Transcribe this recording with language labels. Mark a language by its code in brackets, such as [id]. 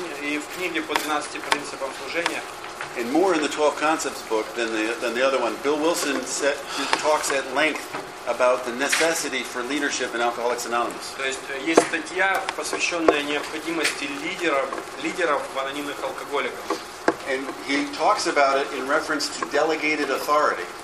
[ru] И в книге по 12 принципам служения. [en] and more in the 12 Concepts book than the other one. Bill Wilson talks at length about the necessity for leadership in Alcoholics Anonymous. [ru] То есть есть статья, посвященная необходимости лидеров в анонимных алкоголиках. [en] And he talks about it in reference to delegated authority.